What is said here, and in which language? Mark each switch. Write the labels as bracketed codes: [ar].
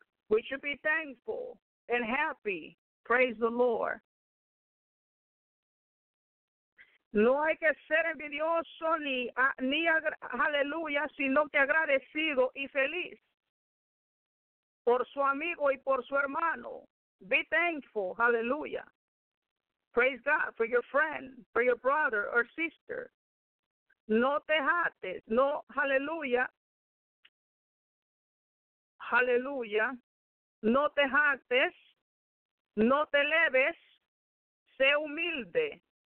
[en] We should be thankful and happy. Praise the Lord. [es] No hay que ser envidioso ni, hallelujah, sino que agradecido y feliz por su amigo y por su hermano. [en] Be thankful, hallelujah. Praise God for your friend, for your brother or sister. [es] No te jates, no, hallelujah. Hallelujah. No te jates, no te leves, sé humilde.